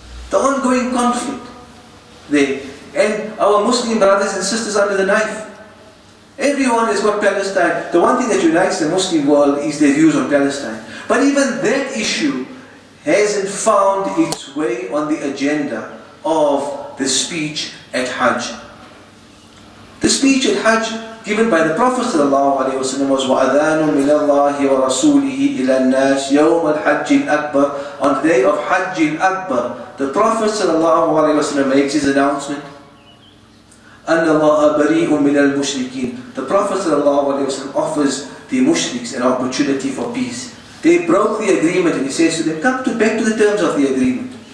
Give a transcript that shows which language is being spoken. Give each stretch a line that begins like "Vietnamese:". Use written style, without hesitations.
English: The ongoing conflict there, and our Muslim brothers and sisters under the knife. Everyone has got Palestine. The one thing that unites the Muslim world is their views on Palestine. But even that issue hasn't found its way on the agenda of the speech at Hajj. The speech at Hajj given by the Prophet ﷺ was
Arabic: وَأَذَانٌ مِنَ اللَّهِ وَرَسُولِهِ إِلَى النَّاسِ يَوْمَ الْحَجِّ الْأَكْبَرِ.
English: On the day of Hajj al-Akbar, the Prophet ﷺ makes his announcement
Arabic: أَنَّ اللَّهَ بَرِيءٌ مِنَ الْمُشْرِكِينَ.
English: The Prophet ﷺ offers the mushriks an opportunity for peace. They broke the agreement and he says to them, come to back to the terms of the agreement.